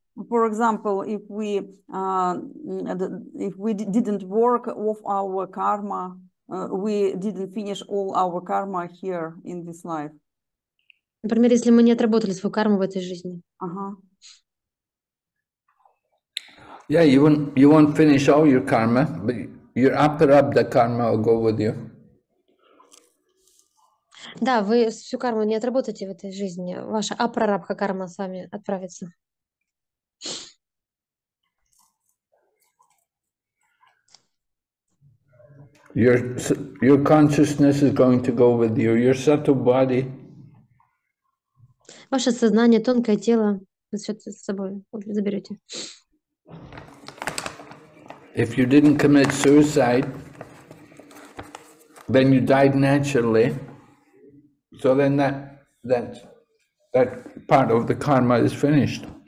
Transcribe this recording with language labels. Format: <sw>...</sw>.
<en>For example, if we didn't work off our karma, we didn't finish all our karma here in this life.</en> <ru>Например, если мы не отработали свою карму в этой жизни.</ru> <en>Yeah, you won't finish all your karma, but your aparabdha karma will go with you.</en> <ru>Да, вы всю карму не отработаете в этой жизни. Ваша апрарабдха карма с вами отправится.</ru> <en>Your consciousness is going to go with you. Your subtle body.</en> <ru>Ваше сознание, тонкое тело, вы все с собой заберете.</ru> <en>If you didn't commit suicide, then you died naturally. So then that part of the karma is finished.</en>